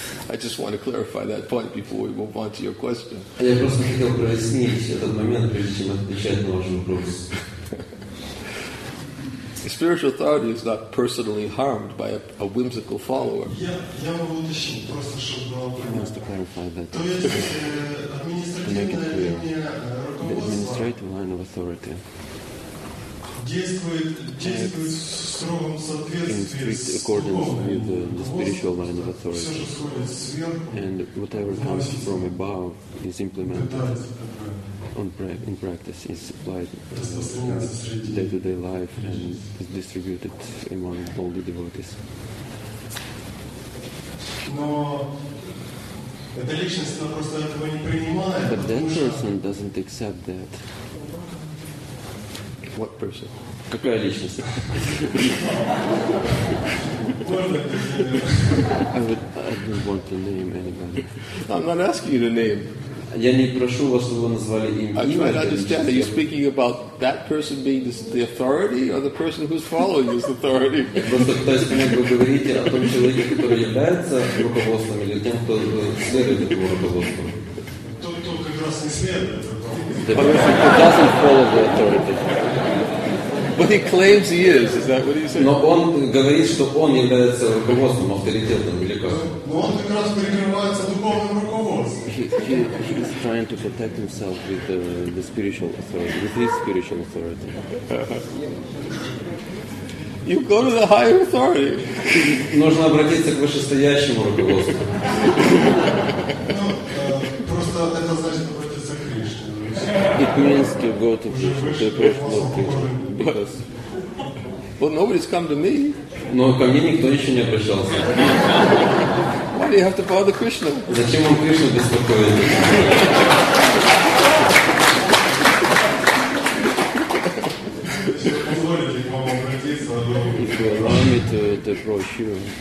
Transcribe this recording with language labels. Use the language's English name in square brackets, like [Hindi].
[English] I just want to clarify that point before we move on to your question. [Russian] Я просто хотел прояснить этот момент, прежде чем отвечать на ваш вопрос. [English] Spiritual authority is not personally harmed by a whimsical follower. [Russian] Я могу уточнить, просто чтобы было понятно. То есть административная линия [English] administrative line of authority. [Russian] Действует в строгом соответствии с духовным руководством. Все, что сходит сверху, [English] and whatever comes from above is implemented in practice, is applied in day-to-day life and is distributed among all the devotees. [Russian] Но эта личность, она просто этого не принимает. [English] But that person doesn't accept that. What person? [Russian] Какая личность? [English] I don't want to name anybody. I'm not asking you to name. [Russian] Я не прошу вас, чтобы вы назвали имя. [English] I'm trying to understand. Are you speaking about that person being the authority, or the person who's following is the authority? [Russian] Просто пытаюсь понять, вы говорите о том человеке, который является руководством, или тем, кто следует этому руководству? Тот, как раз не следует. [English] The person who doesn't follow the authority. But he claims he is. Is that what he said? [Russian] Но он говорит, что он является руководством, авторитетом или как? Но он как раз прикрывается духовным руководством. [English] He is trying to protect himself with the spiritual authority, with his spiritual authority. You go to the higher authority. [Russian] Нужно обратиться к вышестоящему руководству. Просто это значит обратиться к Кришне. [English] It means to go to the personal Krishna. Well, nobody's come to me. [Russian] Но ко мне никто еще не обращался. [English] Why do you have to bother Krishna? [Russian] Зачем вам Кришну беспокоить? [English] If you allow me to approach you.